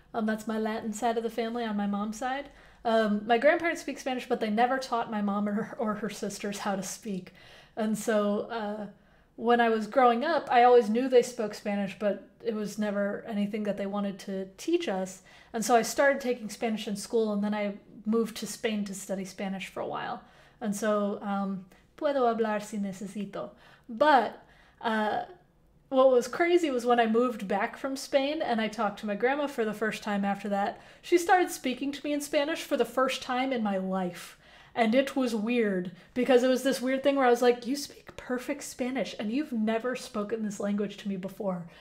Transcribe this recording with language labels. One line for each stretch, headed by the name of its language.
English: That's my Latin side of the family on my mom's side. My grandparents speak Spanish, but they never taught my mom or her sisters how to speak. And so when I was growing up, I always knew they spoke Spanish, but it was never anything that they wanted to teach us. And so I started taking Spanish in school, and then I moved to Spain to study Spanish for a while. And so,
Spanish: puedo hablar si necesito.
English: But what was crazy was when I moved back from Spain and I talked to my grandma for the first time after that, she started speaking to me in Spanish for the first time in my life. And it was weird because it was this weird thing where I was like, you speak perfect Spanish and you've never spoken this language to me before.